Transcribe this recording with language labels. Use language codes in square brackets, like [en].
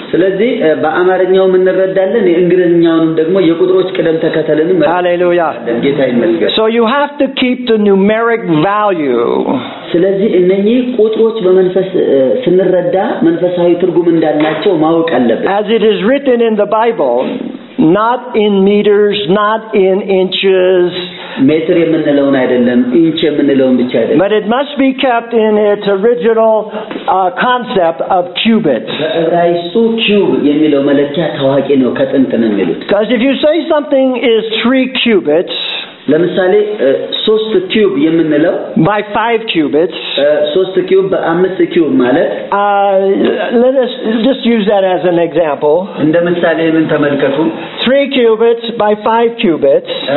[am] ስለዚህ በአማርኛው እንረዳለን የእንግሊዝኛውን ደግሞ የቁጥሮች ቀደም ተከተልን [en] Hallelujah. So you have to keep the numeric value. [am] ስለዚህ እነኚህ ቁጥሮች በመንፈስ ስንረዳ መንፈሳዊ ትርጉም እንዳላቸው ማወቅ አለብን. [en] As it is written in the Bible not in meters not in inches [am] meter የምንለውን አይደለም inch የምንለውን ብቻ አይደለም [en] but it must be kept in its original concept of cubit [am] በእብራይስጥ ኪዩብ የሚለው መለኪያ ታዋቂ ነው ከጥንት ነው የሚሉት [en] because if you say something is 3 cubits [am] ለምሳሌ 3 ኪዩብ የምንለው [en] by 5 cubits [am] 3 ኪዩብ በ5 ኪዩብ ማለት [en] let us just use that as an example [am] እንደ ምሳሌ ምን ተመልከቱ [en] 3 cubits by 5 cubits